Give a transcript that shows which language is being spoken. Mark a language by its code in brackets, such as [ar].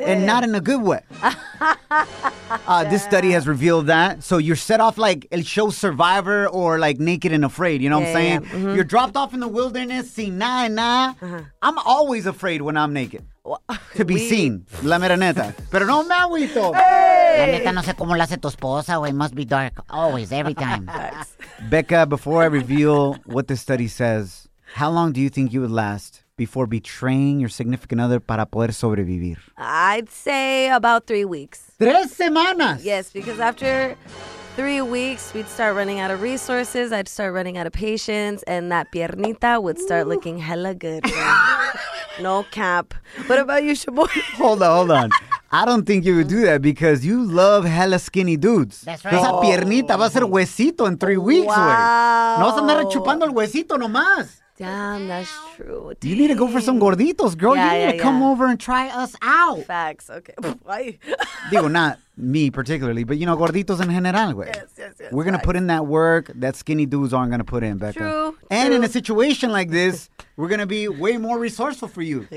[en] And not in a good way. This study has revealed that. So you're set off like El Show Survivor or like Naked and Afraid, you know what I'm saying? Yeah. Mm-hmm. You're dropped off in the wilderness, [es] sin nada, nada. [en] Uh-huh. I'm always afraid when I'm naked. To be seen. [es] La mera neta. Pero no me agüito. La neta no sé cómo la hace tu esposa, güey. [en] Must be dark. Always, every time. Becca, before I reveal what the study says, how long do you think you would last before betraying your significant other [es] para poder sobrevivir? [en] I'd say about 3 weeks. [es] 3 semanas. [en] Yes, because after 3 weeks, we'd start running out of resources. I'd start running out of patience. And that piernita would start looking hella good. No cap. What about you, Shaboy? Hold on. I don't think you would do that because you love hella skinny dudes. That's right. [es] Esa piernita va a ser huesito en [en] 3 weeks, Wow. [es] No vas a andar chupando el huesito nomás. [en] Damn, that's true. Dang. You need to go for some gorditos, girl. Yeah, you need to come over and try us out. Facts. Okay. Why? [es] Digo, [en] not me particularly, but you know, [es] gorditos en general, güey. [en] Yes. We're going to put in that work that skinny dudes aren't going to put in, Becca. True. And in a situation like this, we're going to be way more resourceful for you.